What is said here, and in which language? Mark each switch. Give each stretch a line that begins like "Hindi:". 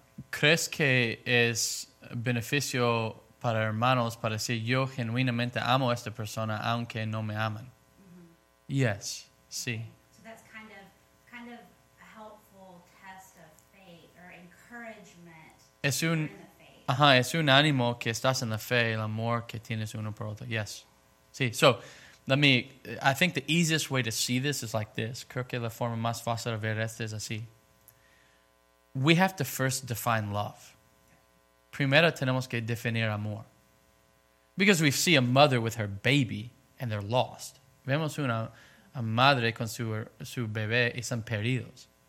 Spanish: ¿Crees que es beneficio para hermanos para decir yo genuinamente amo a esta persona aunque no me aman?
English: Mm-hmm. Yes, sí. So that's kind of a helpful test of faith or encouragement.
Spanish: Es un ánimo que estás en la fe, el amor que tienes uno por otro.
English: Yes, sí. So I think the easiest way to see this is like this.
Spanish: Creo que la forma más fácil de ver esto es así.
English: We have to first define love.
Spanish: Primero tenemos que definir amor.
English: Because we see a mother with her baby and they're lost.
Spanish: Vemos una madre con su bebé y son perdidos.